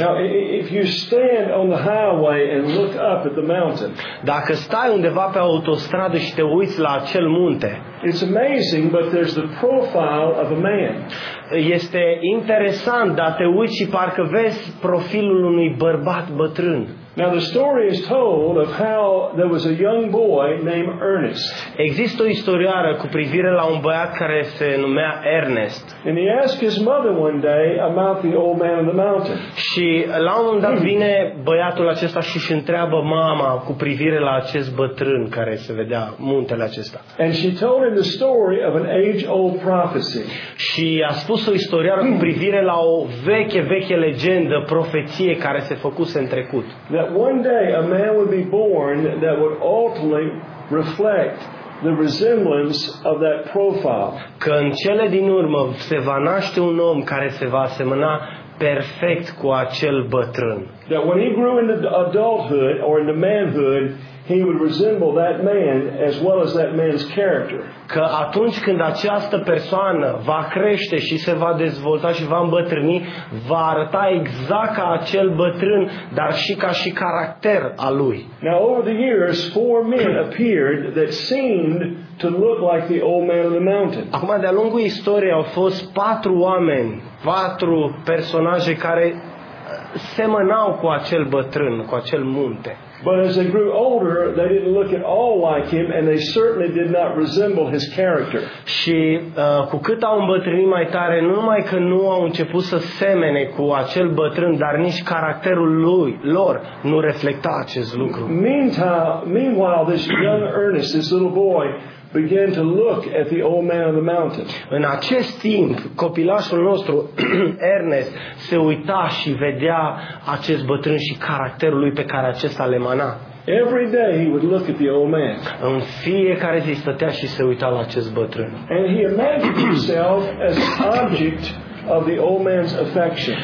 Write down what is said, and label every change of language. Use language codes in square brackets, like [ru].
[en] Now, if you stand on the highway and look up at the mountain. [ro] Dacă stai undeva pe autostradă și te uiți la acel munte. [en] It's amazing, but there's the profile of a man. [ro] Este interesant, dar te uiți și parcă vezi profilul unui bărbat bătrân. [en] Now the story is told of how there was a young boy named Ernest. [ro] Există o istorioară cu privire la un băiat care se numea Ernest. [en] And he asked his mother one day about the old man on the mountain. [ro] Și la un moment dat vine băiatul acesta și își întreabă mama cu privire la acest bătrân care se vedea muntele acesta. [en] And she told him the story of an age-old prophecy. [ro] Și a spus o istorioară cu privire la o veche legendă, profeție care se făcuse în trecut. [en] That one day a man would be born that would ultimately reflect the resemblance of that profile. [ro] Că în cele din urmă se va naște un om care se va asemăna perfect cu acel bătrân. [en] That when he grew into adulthood or into manhood, he would resemble that man as well as that man's character. [ro] Că atunci când această persoană va crește și se va dezvolta și va îmbătrâni, va arăta exact ca acel bătrân, dar și ca și caracter al lui. [en] Now over the years, four men appeared that seemed to look like the old man of the mountain. [ro] Acum de-a lungul istoriei au fost patru oameni, patru personaje care semănau cu acel bătrân, cu acel munte. [en] But as they grew older, they didn't look at all like him, and they certainly did not resemble his character. [ro] Și cu cât au îmbătrânit mai tare, nu numai că nu au început să semene cu acel bătrân, dar nici caracterul lor nu reflecta acest lucru. [en] Meanwhile, this young Ernest, this little boy, began to look at the old man of the mountain. [ro] În acest timp, copilașul nostru Ernest se uita și vedea acest bătrân și caracterul lui pe care acesta îl emana. [en] Every day he would look at the old man. [ro] În fiecare zi stătea și se uita la acest bătrân. [en] And he imagined himself as object of the old man's affection.